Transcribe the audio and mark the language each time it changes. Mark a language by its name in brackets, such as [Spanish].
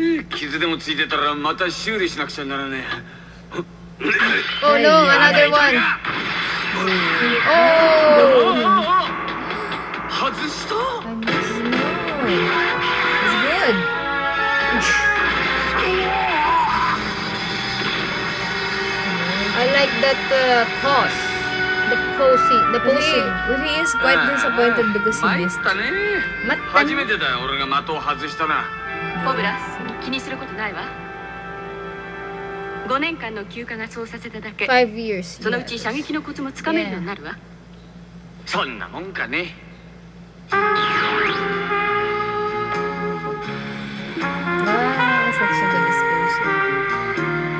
[Japanese] 傷でもついてたらまた修理しなくちゃならねえ。 [English] おの、another one。お [Japanese] ー、外した。 [English] It's good。 I like that pause. The posing. He is quite disappointed because he missed. [Japanese] まったね。初めてだよ、俺が的を外したな。コブラ、気にすることないわ。 5年間の休暇がそうさせただけ。 [English] 5 years. [Japanese] そのうち射撃のコツもつかめるようになるわ。そんなもんかね。ああ、セクションとディスポーション。